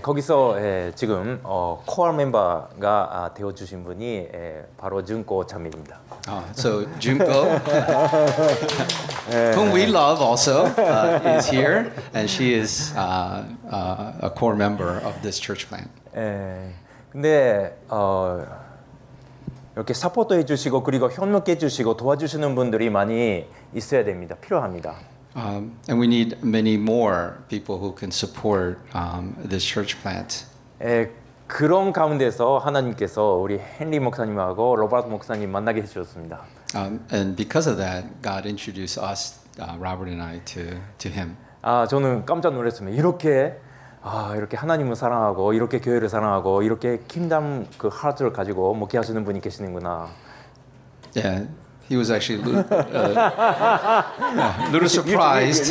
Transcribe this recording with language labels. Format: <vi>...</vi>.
<ko>거기서 지금 코어 멤버가 되어 주신 분이 바로 준코 참입니다.</ko> <en>So Junko, whom we love also, is here, and she is a core member of this church plant.</en> <ko>근데 이렇게 서포트해 주시고 그리고 협력해 주시고 도와주시는 분들이 많이 있어야 됩니다. 필요합니다.</ko> <en>And we need many more people who can support this church plant.</en> <ko>그런 가운데서 하나님께서 우리 헨리 목사님하고 로버트 목사님 만나게 해주셨습니다.</ko> <en>And because of that, God introduced us, Robert and I, to him.</en> <ko>아, 저는 깜짝 놀랐습니다. 이렇게 아, 이렇게 하나님을 사랑하고 이렇게 교회를 사랑하고 이렇게 킹덤 그 하트를 가지고 목회하시는 분이 계시는구나.</ko> <en>Yeah, he was actually a little surprised.</en>